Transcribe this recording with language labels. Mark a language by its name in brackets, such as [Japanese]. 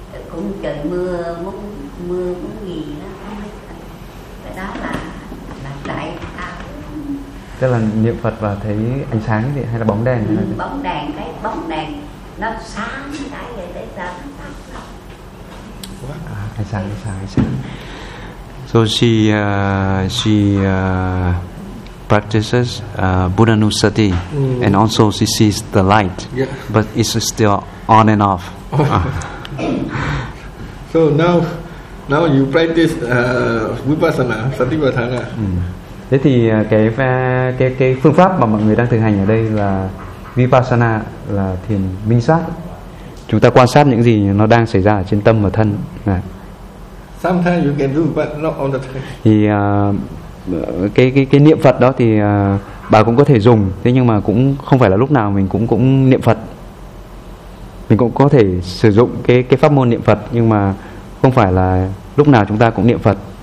[Vietnamese] Cũng trời mưa muốn nghỉ đó, đó là tại sao? Tức là niệm Phật và thấy ánh sáng vậy, hay là bóng đèn? Ừ, bóng đèn nó sáng cái vậy đấy, sao nó tắt lắm. Ánh sáng. [English] So she practices Buddha Nusati, and also she sees the light, yeah. But it's still on and off. So now you practice vipassana, satipatthana. [Vietnamese] Thế thì cái phương pháp mà mọi người đang thực hành ở đây là vipassana, là thiền minh sát. Chúng ta quan sát những gì nó đang xảy ra ở trên tâm và thân. À. [English] Sometimes you can do but not on the time. [Vietnamese] Thì cái niệm Phật đó thì bà cũng có thể dùng, thế nhưng mà cũng không phải là lúc nào mình cũng niệm Phật. Mình cũng có thể sử dụng cái pháp môn niệm Phật, nhưng mà không phải là lúc nào chúng ta cũng niệm Phật.